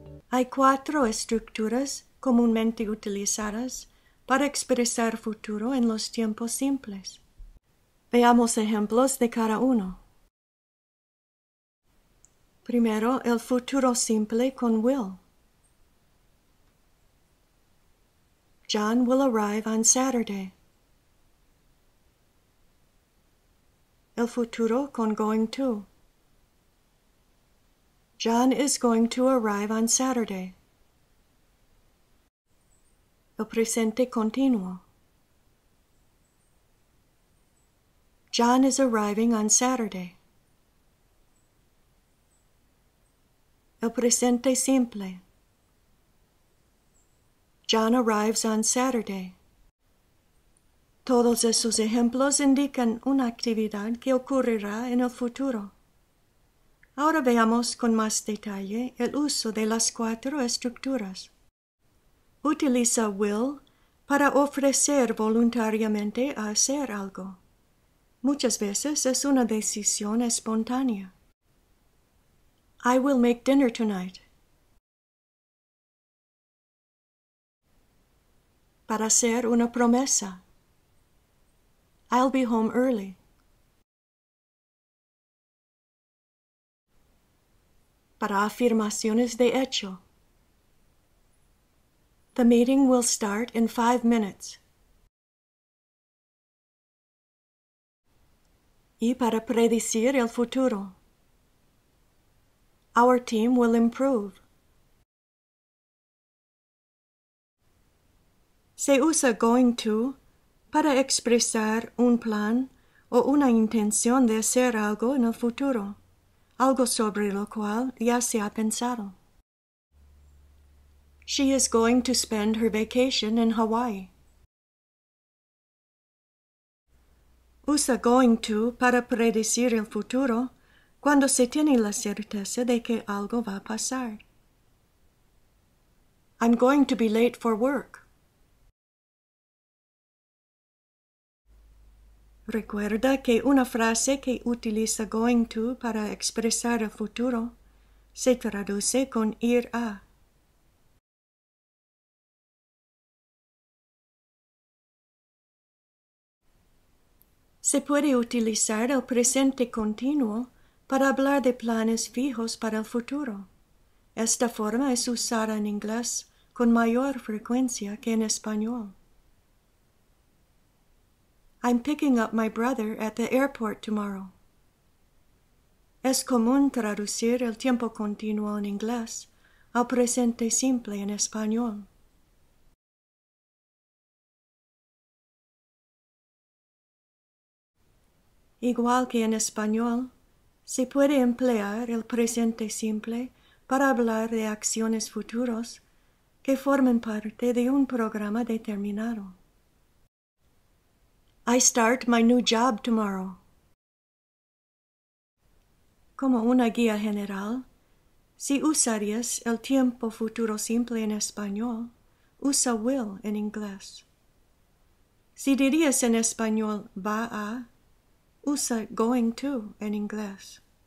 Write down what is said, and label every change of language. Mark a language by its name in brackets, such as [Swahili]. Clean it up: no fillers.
[Spanish] Hay cuatro estructuras comúnmente utilizadas para expresar futuro en los tiempos simples. Veamos ejemplos de cada uno. Primero, el futuro simple con will. [English] John will arrive on Saturday. [Spanish] El futuro con going to. [English] John is going to arrive on Saturday. [Spanish] El presente continuo. [English] John is arriving on Saturday. [Spanish] El presente simple. [English] John arrives on Saturday. [Spanish] Todos esos ejemplos indican una actividad que ocurrirá en el futuro. Ahora veamos con más detalle el uso de las cuatro estructuras. Utiliza will para ofrecer voluntariamente a hacer algo. Muchas veces es una decisión espontánea. [English] I will make dinner tonight. [Spanish] Para hacer una promesa. [English] I'll be home early. [Spanish] Para afirmaciones de hecho. [English] The meeting will start in 5 minutes. [Spanish] Y para predecir el futuro. [English] Our team will improve. [Spanish] Se usa going to para expresar un plan o una intención de hacer algo en el futuro, algo sobre lo cual ya se ha pensado. [English] She is going to spend her vacation in Hawaii. [Spanish] Usa going to para predecir el futuro cuando se tiene la certeza de que algo va a pasar. [English] I'm going to be late for work. [Spanish] Recuerda que una frase que utiliza going to para expresar el futuro se traduce con ir a. Se puede utilizar el presente continuo para hablar de planes fijos para el futuro. Esta forma es usada en inglés con mayor frecuencia que en español. [English] I'm picking up my brother at the airport tomorrow. [Spanish] Es común traducir el tiempo continuo en inglés al presente simple en español. Igual que en español, se puede emplear el presente simple para hablar de acciones futuras que formen parte de un programa determinado. [English] I start my new job tomorrow. [Spanish] Como una guía general, si usarías el tiempo futuro simple en español, usa will en inglés. Si dirías en español va a, usa going to en inglés.